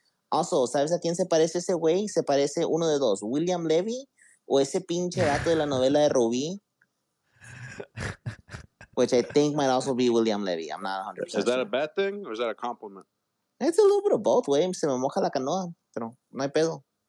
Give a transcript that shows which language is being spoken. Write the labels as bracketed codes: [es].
[en] Also, [es] ¿sabes a quién se parece ese güey? Se parece uno de dos. William Levy o ese pinche gato de la novela de Rubí. [en] Which I think might also be William Levy. I'm not 100%. Is that a bad thing or is that a compliment? It's a little bit of both, wey. [es] Se me moja la canoa, pero no hay pedo.